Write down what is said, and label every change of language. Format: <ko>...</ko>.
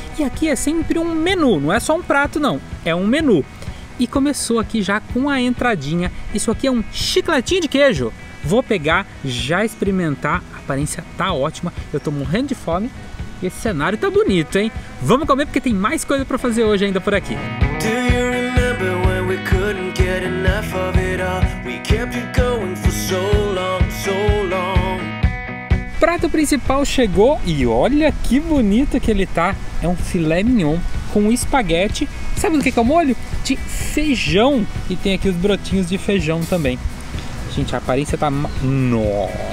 <pt>E aqui é sempre um menu, não é só um prato não, é um menu. E começou aqui já com a entradinha. Isso aqui é um chicletinho de queijo. Vou pegar, já experimentar, a aparência tá ótima, eu tô morrendo de fome e esse cenário tá bonito, hein? Vamos comer porque tem mais coisa pra fazer hoje ainda por aqui.</pt> <en>Do you remember when we couldn't get enough of it all? We kept it going for so long, so long.</en> <pt>Prato principal chegou e olha que bonito que ele tá. É um filé mignon com espaguete, sabe do que é o molho? De feijão, e tem aqui os brotinhos de feijão também. Gente, a aparência tá... Nossa!</pt>